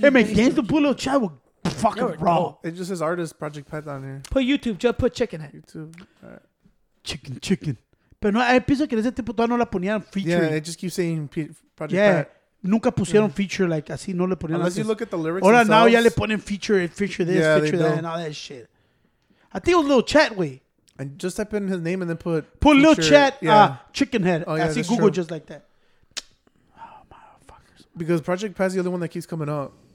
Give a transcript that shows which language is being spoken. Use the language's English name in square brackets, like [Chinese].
[English] hey, man, Gangsta Boo Lil Chad was fucking raw. It just says artist Project Pat down here. Put YouTube. Just put Chicken Head. YouTube. All right. Chicken. [Spanish] Pero no, I pienso que en ese tiempo todavía no la ponían feature. [English] Yeah, they just keep saying Project Pat. [Spanish] Yeah, nunca pusieron feature, like, así no le ponían. [English] Unless you look at the lyrics [Spanish] ahora [English] themselves. Ahora, now ya le ponen feature this, yeah, feature that, and all that shit. I think it was Lil Chat, güey. And just type in his name and then put feature. Lil Chat, yeah. Chicken Head. Oh, yeah, I see Google true. Just like that. Oh, motherfuckers. Because Project Pat's the only one that keeps coming up.